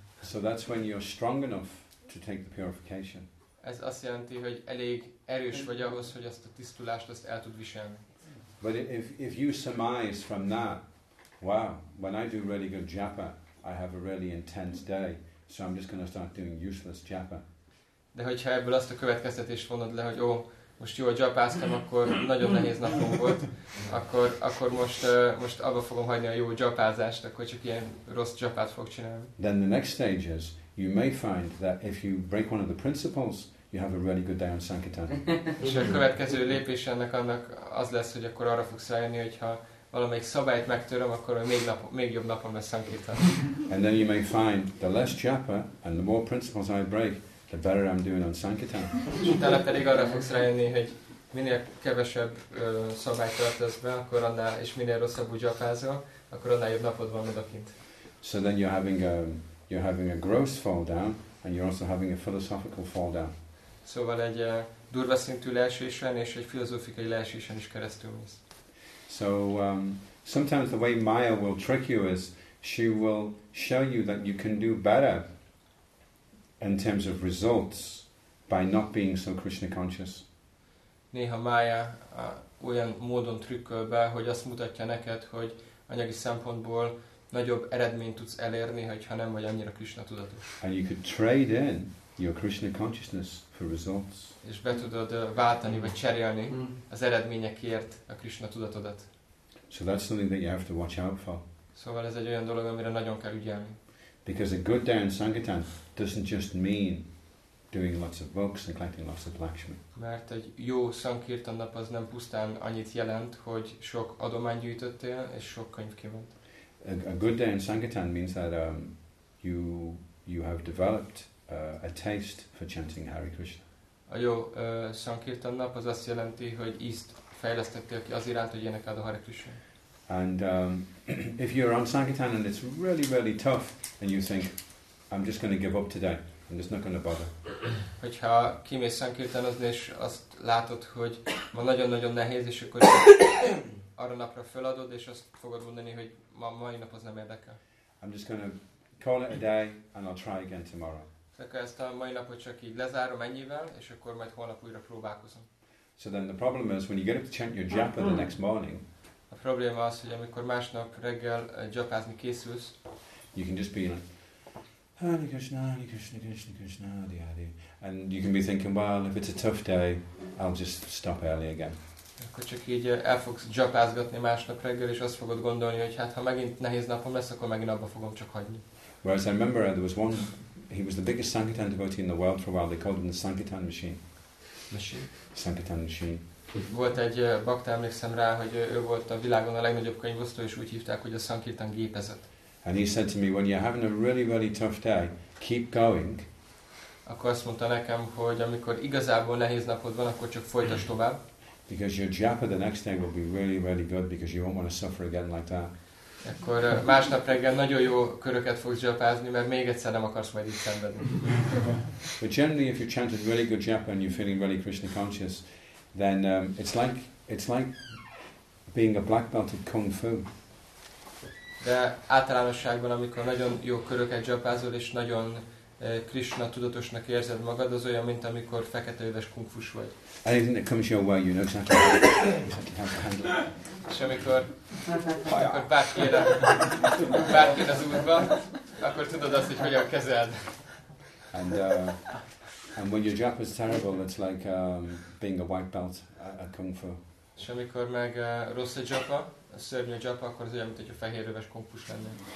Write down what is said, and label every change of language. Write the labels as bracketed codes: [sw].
[en] So that's when you're strong enough to take the purification. [hu] Ez azt jelenti, hogy elég erős vagy ahhoz, hogy azt a tisztulást azt el tud viselni. [en] But if you surmise from that, wow, when I do really good japa, I have a really intense day, so I'm just going to start doing useless japa. [hu] De hogyha ebből azt a következtetést vonod le, hogy most jól japáztam, akkor nagyon nehéz napom volt, akkor most abba fogom hagyni a jó japázást, akkor csak ilyen rossz japát fog csinálni. [en] Then the next stage is, you may find that if you break one of the principles, you have a really good day on sankirtan. [hu] És a következő lépés ennek annak az lesz, hogy akkor arra fogsz rájönni, hogyha valamelyik szabályt megtöröm, akkor még jobb napom lesz sankirtan. [en] And then you may find the less japa and the more principles I break, the better I'm doing on sankirtan. [hu] Utána pedig arra fogsz rájönni, hogy minél kevesebb szabályt tartasz be, akkor annál, és minél rosszabb úgy japázol, akkor annál jobb napod van odakint. [en] So then you're having a gross fall down, and you're also having a philosophical fall down. [hu] Szóval egy durva szintű leesésen és egy filozófikai leesésen is keresztül mész. [en] So sometimes the way Maya will trick you is she will show you that you can do better in terms of results by not being so Krishna conscious. [hu] Néha Maya olyan módon trükköl be, hogy azt mutatja neked, hogy anyagi szempontból nagyobb eredményt tudsz elérni, hogyha nem vagy annyira Krishna tudatos. [en] And you could trade in your Krishna consciousness for results. [hu] És be tudod váltani vagy cserélni az eredményekért a Krishna tudatodat. [en] So that's something that you have to watch out for. [hu] Szóval ez egy olyan dolog, amire nagyon kell ügyelni. [en] Because a good day in sankirtan doesn't just mean doing lots of books and collecting lots of lakshmi. [hu] Mert egy jó sankirtan nap az nem pusztán annyit jelent, hogy sok adományt gyűjtöttél és sok könyv kivont. [en] A good day in sankirtan means that you have developed a taste for chanting Hare Krishna. [hu] A jó sankirtan nap az azt jelenti, hogy ízt fejlesztettél ki az iránt, hogy énekeld a Hare Krishna. [en] And if you're on sankirtan and it's really really tough and you think I'm just going to give up today, I'm just not going to bother. [hu] Hogyha kimész sankirtanozni és azt látod, hogy ma nagyon-nagyon nehéz, és akkor arra napra feladod és azt fogod mondani, hogy ma mai nap az nem érdekel. [en] I'm just going to call it a day and I'll try again tomorrow. [hu] Tehát ezt a mai napot csak így lezárom ennyivel, és akkor majd holnap újra próbálkozom. [en] So then the problem is when you get up to chant your japa the next morning. [hu] A probléma az, hogy amikor másnap reggel japázni készülsz, [en] you can just be like, Hare Krishna, Hare Krishna, Krishna Krishna, Hare Hare. And you can be thinking, well, if it's a tough day, I'll just stop early again. [hu] Akkor csak így el fogsz japázgatni másnap reggel, és azt fogod gondolni, hogy hát ha megint nehéz napom lesz, akkor megint abba fogom csak hagyni. [en] Whereas I remember there was one, he was the biggest Sankirtan devotee in the world for a while, they called him the Sankirtan machine. Machine. Sankirtan machine. [hu] Volt egy bakta, emlékszem rá, hogy ő volt a világon a legnagyobb könyvosztó, és úgy hívták, hogy a Sankirtan gépezet. [en] And he said to me, when you're having a really, really tough day, keep going. [hu] Akkor azt mondta nekem, hogy amikor igazából nehéz napod van, akkor csak folytasd tovább. [en] Because your japa the next day will be really, really good, because you won't want to suffer again like that. [hu] Akkor másnap reggel nagyon jó köröket fogsz japázni, mert még egyszer nem akarsz majd itt szenvedni. [en] But generally, if you chant a really good japa and you're feeling really Krishna conscious, then it's like being a black belt in kung fu. [hu] De általánosságban, amikor nagyon jó köröket japázol és nagyon Krishna tudatosnak érzed magad, az olyan, mint amikor fekete öves kung fus vagy. [en] Anything that comes your way, you know exactly how to handle it. [hu] És amikor bárkére az útban, akkor tudod azt, hogy hogyan kezeld. [en] And when your japa is terrible, it's like being a white belt at kung fu. [hu] És amikor meg rossz a japa, a szörnyű japa, akkor az olyan, mint hogy a fehér öves kung fus lenne.